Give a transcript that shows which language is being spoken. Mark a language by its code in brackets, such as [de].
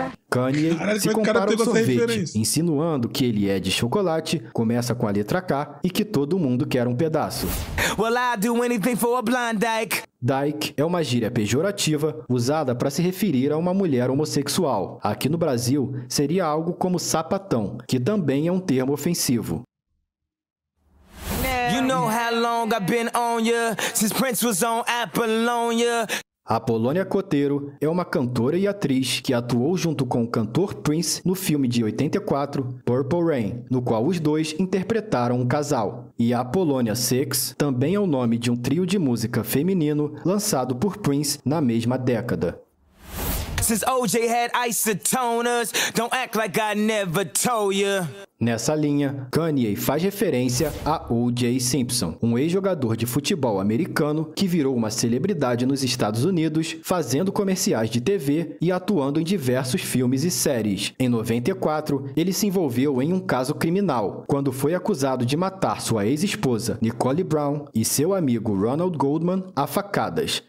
[pt] Kanye se compara ao sorvete, insinuando que ele é de chocolate, começa com a letra K e que todo mundo quer um pedaço. [en] Well, I'd do anything for a blind dyke. [pt] Dyke é uma gíria pejorativa usada para se referir a uma mulher homossexual. Aqui no Brasil, seria algo como sapatão, que também é um termo ofensivo. [en] You know how long I've been on ya, since Prince was on Apollonia. [pt] Apolônia Coteiro é uma cantora e atriz que atuou junto com o cantor Prince no filme de 84, Purple Rain, no qual os dois interpretaram um casal. E a Apolônia Six também é o nome de um trio de música feminino lançado por Prince na mesma década. [en] Since OJ had isotoners, don't act like I never told ya. [pt] Nessa linha, Kanye faz referência a O.J. Simpson, um ex-jogador de futebol americano que virou uma celebridade nos Estados Unidos, fazendo comerciais de TV e atuando em diversos filmes e séries. Em 94, ele se envolveu em um caso criminal, quando foi acusado de matar sua ex-esposa, Nicole Brown, e seu amigo Ronald Goldman a facadas.